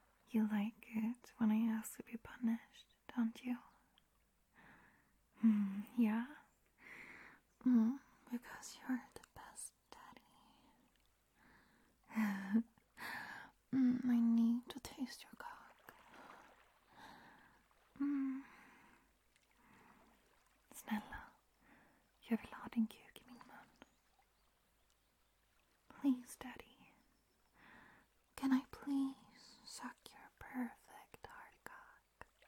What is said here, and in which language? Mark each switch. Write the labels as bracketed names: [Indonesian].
[English] You like it when I ask to be punished, don't you? Yeah? Because you're the best daddy. I need to taste your cock. [Swedish] Snälla, jag vill ha din kuk i min mun. [English] Please, daddy. Can I please suck your perfect hard cock?